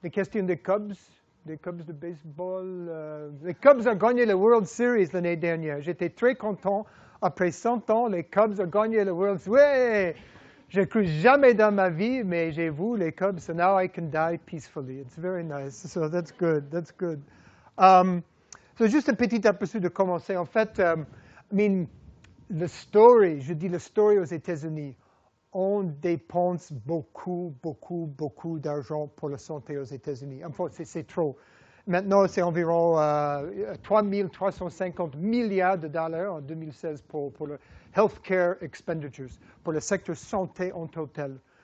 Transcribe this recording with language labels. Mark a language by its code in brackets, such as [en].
[fr] Des questions des Cubs, des Cubs de baseball. Les Cubs ont gagné la World Series l'année dernière. J'étais très content. Après 100 ans, les Cubs ont gagné la World Series. Ouais! J'ai cru jamais dans ma vie, mais j'ai vu les Cubs, [en] so now I can die peacefully. It's very nice, so that's good, that's good. [fr] So juste un petit aperçu de commencer. En fait, la story aux États-Unis, on dépense beaucoup, beaucoup, beaucoup d'argent pour la santé aux États-Unis. En fait, c'est trop. Maintenant, c'est environ 3 350 milliards de dollars en 2016 pour le healthcare expenditures, pour le secteur santé en total.